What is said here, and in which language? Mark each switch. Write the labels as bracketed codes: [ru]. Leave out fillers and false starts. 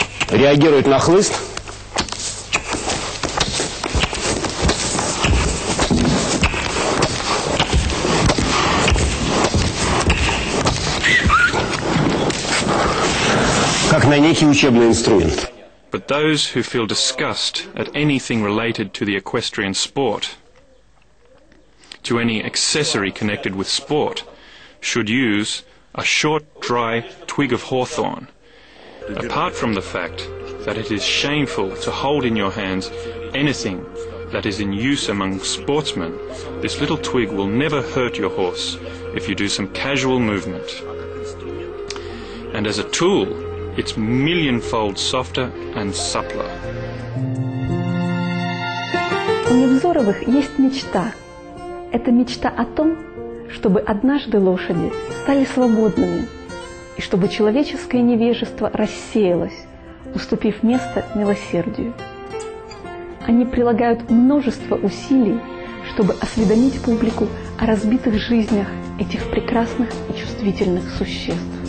[ru] Реагирует на хлыст. Как на некий учебный инструмент. [en] But those who feel disgust at anything related to the equestrian sport, to any accessory connected with sport, should use a short, dry twig of hawthorn. Apart from the fact that it is shameful to hold in your hands anything that is in use among sportsmen, this little twig will never hurt your horse if you do some casual movement. And as a tool, it's millionfold softer and suppler. [ru] У Невзоровых есть мечта. Это мечта о том, чтобы однажды лошади стали свободными и чтобы человеческое невежество рассеялось, уступив место милосердию. Они прилагают множество усилий, чтобы осведомить публику о разбитых жизнях этих прекрасных и чувствительных существ.